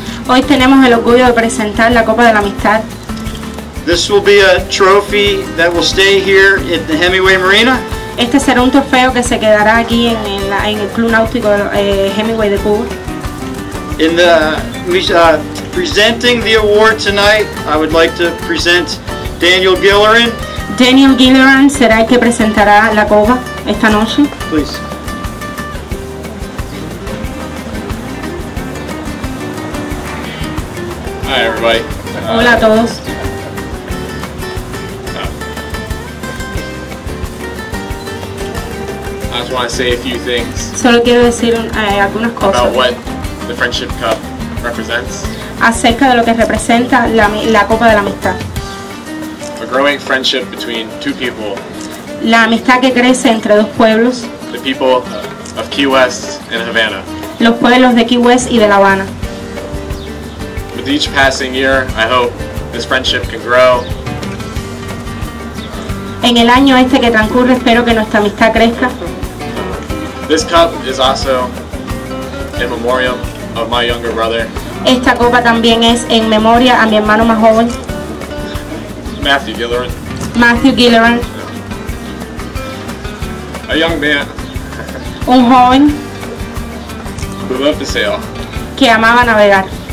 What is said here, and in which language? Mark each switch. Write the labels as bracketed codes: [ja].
[es] Hoy tenemos el orgullo de presentar la Copa de la Amistad. [en] This will be a trophy that will stay here at the Hemingway Marina. [es] Este será un trofeo que se quedará aquí en el Club Náutico Hemingway de Cuba. [en] In the presenting the award tonight, I would like to present Daniel Gilleran. [es] Daniel Gilleran será el que presentará la copa esta noche. [en] Please. Hi, everybody. [es] Hola a todos. [en] I just want to say a few things. [es] Solo quiero decir algunas cosas. [en] About what the Friendship Cup represents. [es] Acerca de lo que representa la Copa de la Amistad. [en] A growing friendship between two people. [es] La amistad que crece entre dos pueblos. [en] The people of Key West and Havana. [es] Los pueblos de Key West y de La Habana. [en] With each passing year, I hope this friendship can grow. [es] En el año este que transcurre, espero que nuestra amistad crezca. [en] This cup is also in memoriam of my younger brother. [es] Esta copa también es en memoria a mi hermano más joven. [en] Matthew Gilleran. [es] Matthew Gilleran. [en] A young man. [es] Un joven. [en] Who loved to sail. [es] Que amaba navegar.